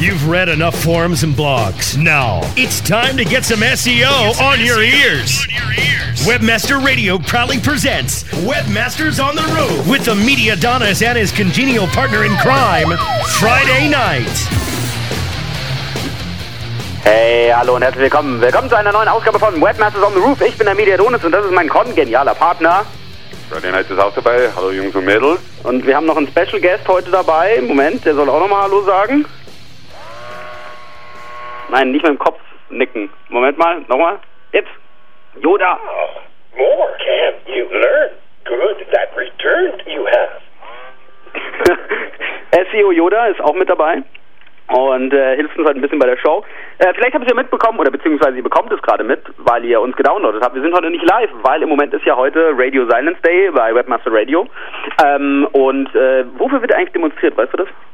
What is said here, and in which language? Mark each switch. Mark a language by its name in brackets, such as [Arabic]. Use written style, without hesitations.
[English] You've read enough forums and blogs. Now, it's time to get some SEO on your ears. Webmaster Radio proudly presents Webmasters on the Roof with the media Donis and his congenial partner in crime, Friday Night. [German] Hey, hallo und herzlich willkommen. Willkommen zu einer neuen Ausgabe von Webmasters on the Roof. Ich bin der Media Donis und das ist mein kongenialer Partner. Friday Night ist auch dabei. Hallo Jungs und Mädels. Und wir haben noch einen Special Guest heute dabei. Im Moment, der soll auch nochmal Hallo sagen. Nein, nicht mit dem Kopf nicken. Moment mal, nochmal. Jetzt. Yoda. [English] Oh, more can you learn. Good that returned you have. [German] SEO Yoda ist auch mit dabei. Und hilft uns halt ein bisschen bei der Show. Vielleicht habt ihr mitbekommen, oder beziehungsweise ihr bekommt es gerade mit, weil ihr uns gedownloadet habt. Wir sind heute nicht live, weil im Moment ist ja heute Radio Silence Day bei Webmaster Radio. Wofür wird eigentlich demonstriert, weißt du das?